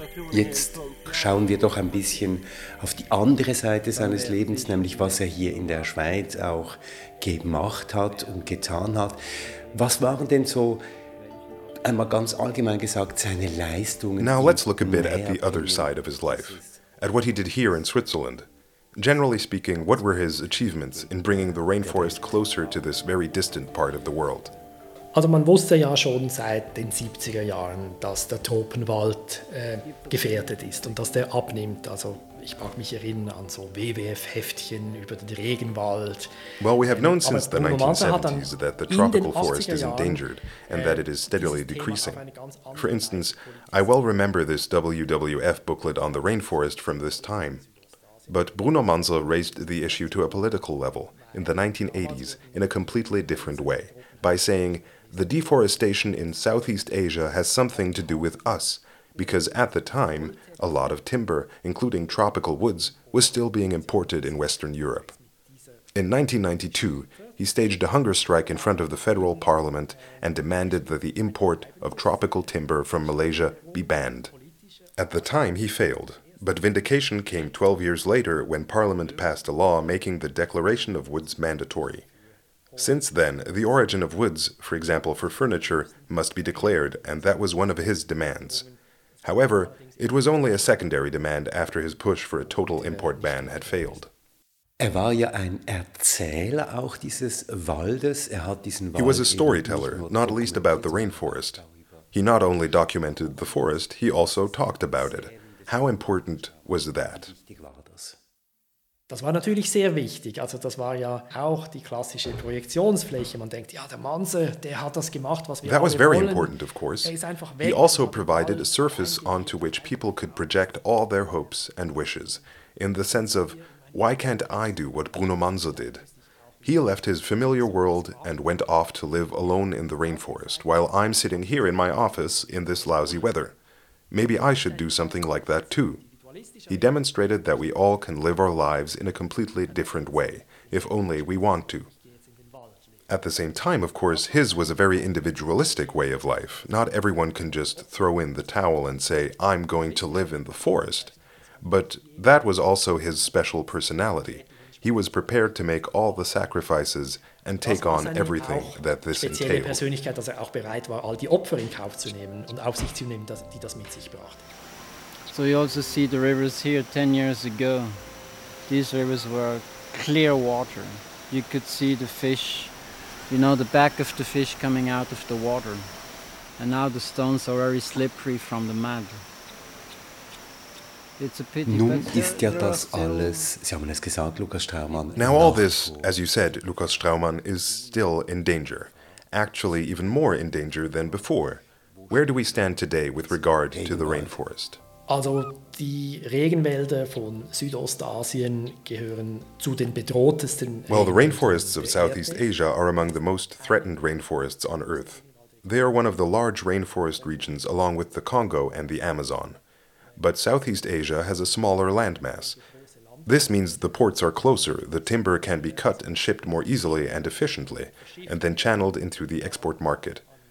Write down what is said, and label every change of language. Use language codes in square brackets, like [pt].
[de] Jetzt schauen wir doch ein bisschen auf die andere Seite seines Lebens, nämlich was er hier in der Schweiz auch gemacht hat und getan hat. Was waren denn so, einmal ganz allgemein gesagt, seine Leistungen? [en] Now let's look a bit at the other side of his life, at what he did here in Switzerland. Generally speaking, what were his achievements in bringing the rainforest closer to this very distant part of the world? [de] Also man wusste ja schon seit den 70er Jahren, dass der Tropenwald gefährdet ist und dass der abnimmt. Also ich mag mich erinnern an so WWF-Heftchen über den Regenwald. [en] Well, we have known since the 1970s that the tropical forest is endangered and that it is steadily decreasing. For instance, I well remember this WWF booklet on the rainforest from this time. But Bruno Mansa raised the issue to a political level in the 1980s in a completely different way, by saying, the deforestation in Southeast Asia has something to do with us, because at the time, a lot of timber, including tropical woods, was still being imported in Western Europe. In 1992, he staged a hunger strike in front of the federal parliament and demanded that the import of tropical timber from Malaysia be banned. At the time, he failed. But vindication came 12 years later when Parliament passed a law making the declaration of woods mandatory. Since then, the origin of woods, for example for furniture, must be declared, and that was one of his demands. However, it was only a secondary demand after his push for a total import ban had failed. [de] Er war ja ein Erzähler auch dieses Waldes. Er hat diesen Wald. [en] He was a storyteller, not least about the rainforest. He not only documented the forest, he also talked about it. How important was that? [de] Das war natürlich sehr wichtig. Also das war ja auch die klassische Projektionsfläche. Man denkt, ja, der Mansa, der hat das gemacht, was wir [en] That was very [de] wollen. [en] Important, of course. He also provided a surface onto which people could project all their hopes and wishes, in the sense of, why can't I do what Bruno Mansa did? He left his familiar world and went off to live alone in the rainforest, while I'm sitting here in my office in this lousy weather. Maybe I should do something like that too. He demonstrated that we all can live our lives in a completely different way, if only we want to. At the same time, of course, his was a very individualistic way of life. Not everyone can just throw in the towel and say, I'm going to live in the forest. But that was also his special personality. He was prepared to make all the sacrifices and take on everything that this entailed. [de] Spezielle Persönlichkeit, dass er auch bereit war, all die Opfer in Kauf zu nehmen und auf sich zu nehmen, die das mit sich brachte. [en] So you also see the rivers here 10 years ago. These rivers were clear water. You could see the fish, you know, the back of the fish coming out of the water. And now the stones are very slippery from the mud. [de] Nun ist ja das alles, Sie haben es gesagt, Lukas Straumann. [en] Now all this, as you said, Lukas Straumann, is still in danger. Actually even more in danger than before. Where do we stand today with regard to the rainforest? [de] Also die Regenwälder von Südostasien gehören zu den bedrohtesten. [en] Well, the rainforests of Southeast Asia are among the most threatened rainforests on Earth. They are one of the large rainforest regions along with the Congo and the Amazon. But Southeast Asia has a smaller landmass. This means the ports are closer, the timber can be cut and shipped more easily and efficiently, and then channeled into the export market.